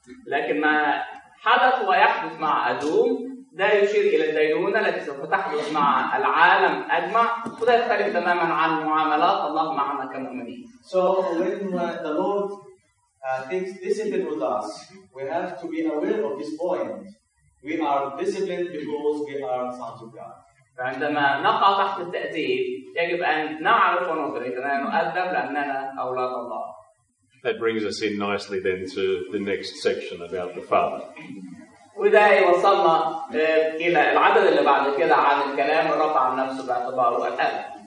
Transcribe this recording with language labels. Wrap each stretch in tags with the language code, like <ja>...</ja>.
<ar>لكن ما حدث ويحدث مع أدوم ده يشير إلى الدينونة التي سوف تحدث مع العالم أجمع وده يختلف تماما عن معاملات الله معنا كمؤمنين.</ar> <en>So when the Lord takes discipline with us, we have to be aware of this point. We are disciplined because we are sons of God.</en> <ar>فعندما نقع تحت التأديب يجب أن نعرف وندرك أننا نؤدب لأننا أولاد الله.</ar> <en>That brings us in nicely then to the next section about the Father.</en> <ar>وده يوصلنا إلى العدد اللي بعد كده عن الكلام الرفع عن نفسه باعتباره الأب.</ar>